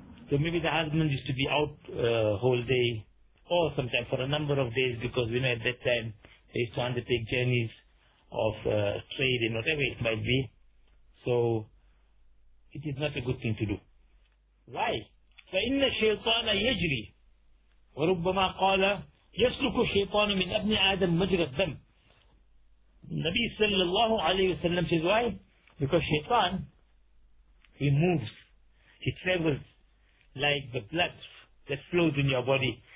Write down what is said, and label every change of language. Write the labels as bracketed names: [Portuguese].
[English] So maybe the husband used to be out whole day or sometimes for a number of days because we know at that time they used to undertake journeys of trade and whatever it might be. So, it is not a good thing to do. Why? [Arabic] فَإِنَّ الشَّيْطَانَ يَجْرِي وَرُبَّمَا قَالَ يَسْلُكُ الشَّيْطَانُ مِنْ أَبْنِ آدَمْ مَجْرَ الدَّمِ [English] Nabi sallallahu alayhi wa sallam says why? Because shaitan, he moves, he travels like the blood that flows in your body.